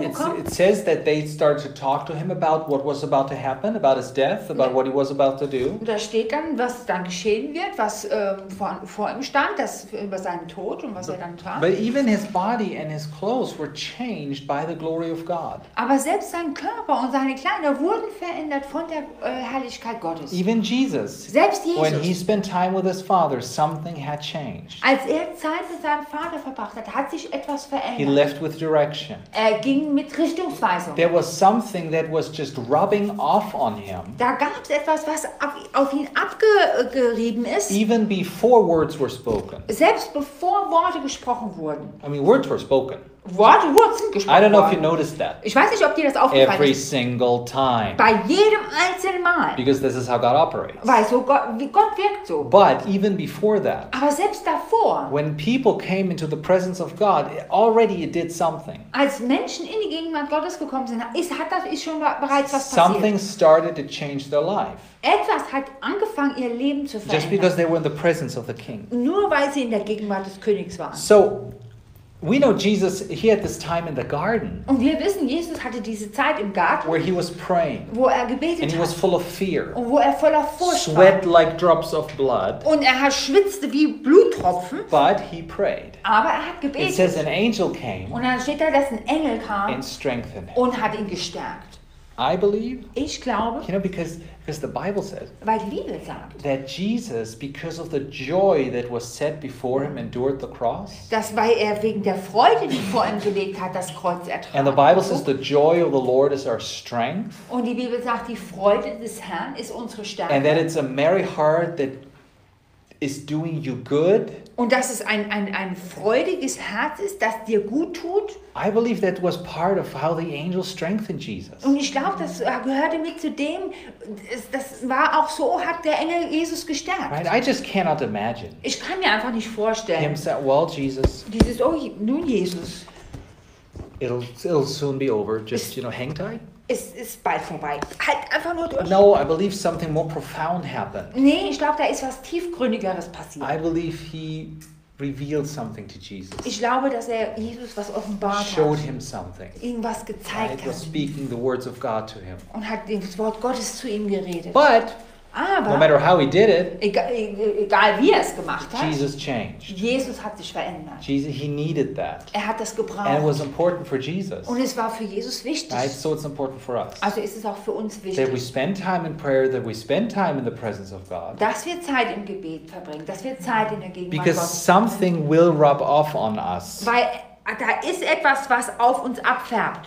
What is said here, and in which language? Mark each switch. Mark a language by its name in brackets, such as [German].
[English] right? [German] bekommen. [English] It says that they started to talk to him about what was about to happen, about his death, about what he was about to do. [German] Und da steht dann, was dann geschehen wird, was vor ihm stand, das über seinen Tod und was er dann tat. [English] But even his body and his clothes were changed by the glory of God. [German] Aber selbst sein Körper und seine Kleider wurden verändert von der Herrlichkeit Gottes. [English] Even Jesus. [German] Selbst Jesus. [English] When he spent time with his Father, something had changed. [German] Als er Zeit mit seinem Vater verbrachte. Hat sich etwas verändert. [English] He left with direction. [German] Er ging mit Richtungsweisung. [English] There was something that was just rubbing off on him. [German] Da gab es etwas, was auf ihn abgerieben ist. [English] Even before words were spoken. [German] Selbst bevor Worte gesprochen wurden. [English] I mean, words were spoken. [German] Worte wurden gesprochen. [English] I don't know if you noticed that. [German] Ich weiß nicht, ob dir das aufgefallen ist. [English] Every single time. [German] Bei jedem einzelnen Mal. [English] Because this is how God operates. [German] Weil so Gott wirkt so. [English] But even before that. [German] Aber selbst davor. [English] When people came into the presence of God, already it did something. [German] Als Menschen in die Gegenwart Gottes gekommen sind, ist schon bereits was passiert. [English] Something started to change their life. [German] Etwas hat angefangen, ihr Leben zu verändern. [English] Just because they were in the presence of the King. [German] Nur weil sie in der Gegenwart des Königs waren. [English] So. We know Jesus, he had this time in the garden. [German] Und wir wissen, Jesus hatte diese Zeit im Garten. [English] Where he was praying. [German] Wo er gebetet hat. [English] And he was full of fear. [German] Und wo er voller Furcht war. [English] Sweat like drops of blood. [German] Und er schwitzte wie Bluttropfen. [English] But he prayed. [German] Aber er hat gebetet. [English] It says an angel came. [German] Und dann steht da, dass ein Engel kam. [English] And strengthened him. [German] Und hat ihn gestärkt. [English] I believe. [German] Ich glaube. [English] You know, because the Bible says. [German] Weil die Bibel sagt. [English] That Jesus, because of the joy that was set before him, endured the cross. [German] Dass weil er wegen der Freude, die vor ihm gelegt hat, das Kreuz ertrug. [English] And the Bible says the joy of the Lord is our strength. [German] Und die Bibel sagt, die Freude des Herrn ist unsere Stärke. [English] And that it's a merry heart that is doing you good. [German] Und dass es ein freudiges Herz ist, das dir gut tut. [English] I believe that was part of how the angel strengthened Jesus. [German] Und ich glaube, das gehörte mit zu dem, das war auch so, hat der Engel Jesus gestärkt. [English] Right? I just cannot imagine. [German] Ich kann mir einfach nicht vorstellen. [English] Himself, well, Jesus. [German] Dieses, oh, nun Jesus. [English] It'll soon be over. Just, you know, hang tight. [German] Es ist bald vorbei. Halt einfach nur durch. [English] No, I believe something more profound happened. [German] Nee, ich glaube, da ist was Tiefgründigeres passiert. [English] I believe he revealed something to Jesus. [German] Ich glaube, dass er Jesus was offenbart hat. [English] Showed him something. [German] Ihm was gezeigt hat. [English] Was speaking the words of God to him. [German] Und hat das Wort Gottes zu ihm geredet. [English] But [German] aber, [English] no matter how he did it, [German] egal wie er es gemacht hat, [English] Jesus changed. [German] Jesus hat sich verändert. [English] Jesus, he needed that. [German] Er hat das gebraucht. [English] And it was important for Jesus. [German] Und es war für Jesus wichtig. [English] Right? So it's important for us. [German] Also ist es auch für uns wichtig. [English] That we spend time in prayer, that we spend time in the presence of God. [German] Dass wir Zeit im Gebet verbringen, dass wir Zeit in der Gegenwart Gottes. [English] Because something will rub off on us. [German] Weil da ist etwas, was auf uns abfärbt.